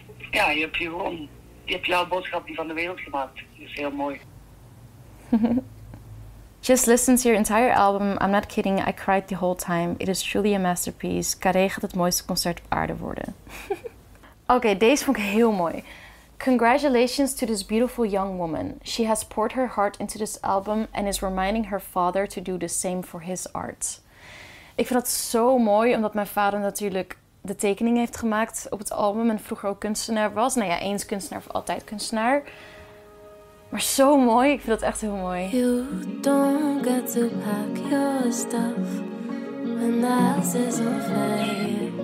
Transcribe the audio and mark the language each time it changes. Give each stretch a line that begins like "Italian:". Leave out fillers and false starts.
Dutch: Ja, je hebt jouw boodschap van de wereld gemaakt. Dat is heel mooi.
English: Just listen to your entire album. I'm not kidding. I cried the whole time. It is truly a masterpiece.
Dutch: Carré gaat het mooiste concert op aarde worden. Oké, deze vond ik heel mooi.
English: Congratulations to this beautiful young woman. She has poured her heart into this album and is reminding her father to do the same for his art.
Dutch: Ik vind dat zo mooi, omdat mijn vader natuurlijk de tekening heeft gemaakt op het album en vroeger ook kunstenaar was. Nou ja, eens kunstenaar of altijd kunstenaar. Maar zo mooi, ik vind dat echt heel mooi.
English: You don't get to pack your stuff when the house is on fire.